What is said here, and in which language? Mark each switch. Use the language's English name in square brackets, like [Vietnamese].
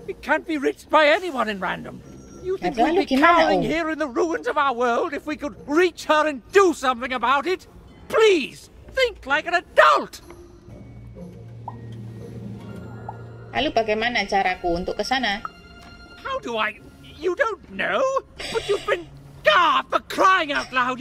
[English] It can't be reached by anyone in Random. You think we'd be cowering here in the ruins of our world if we could reach her and do something about it? Please, think like an adult. [Indonesian] Lalu bagaimana caraku untuk ke sana? [English] How do I? You don't know? But you've been God for crying out loud.